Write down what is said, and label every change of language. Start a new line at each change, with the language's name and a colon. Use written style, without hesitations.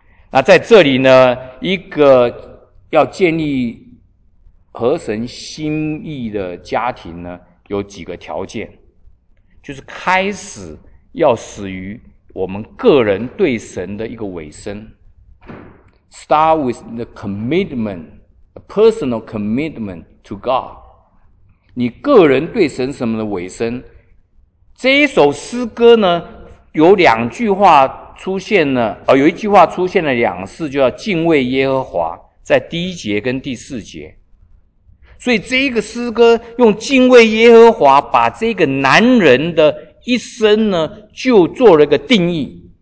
Chinese: 那在这里呢，一个要建立合神心意的家庭呢，有几个条件，就是开始要始于我们个人对神的一个委身。
English: Start with the commitment, a personal commitment to God.
Chinese: 你个人对神什么的委身。这一首诗歌呢，有两句话出现了，有一句话出现了两次，就要敬畏耶和华，在第一节跟第四节。所以这一个诗歌用敬畏耶和华把这个男人的一生呢，就做了一个定义。